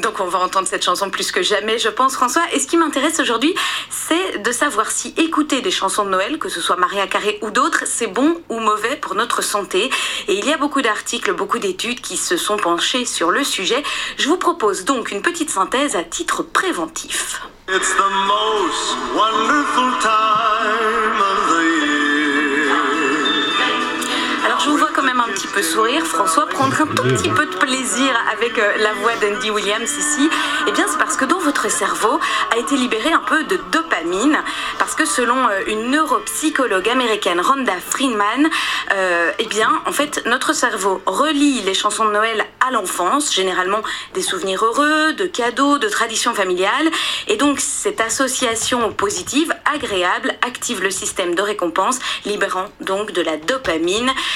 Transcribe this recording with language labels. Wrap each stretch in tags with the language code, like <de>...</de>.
<fr>Donc on va entendre cette chanson plus que jamais, je pense, François. Et ce qui m'intéresse aujourd'hui, c'est de savoir si écouter des chansons de Noël, que ce soit Mariah Carey ou d'autres, c'est bon ou mauvais pour notre santé. Et il y a beaucoup d'articles, beaucoup d'études qui se sont penchées sur le sujet. Je vous propose donc une petite synthèse à titre préventif.</fr> <en>It's the most wonderful time of the year.</en> <fr>Alors je vous vois quand même un petit peu sourire, François, prendre un tout petit peu de plaisir avec la voix d'Andy Williams ici. Eh bien c'est parce que dans votre cerveau a été libéré un peu de dopamine, parce que selon une neuropsychologue américaine, Rhonda Friedman, en fait notre cerveau relie les chansons de Noël à l'enfance, généralement des souvenirs heureux, de cadeaux, de traditions familiales, et donc cette association positive, agréable, active le système de récompense, libérant donc de la dopamine.</fr>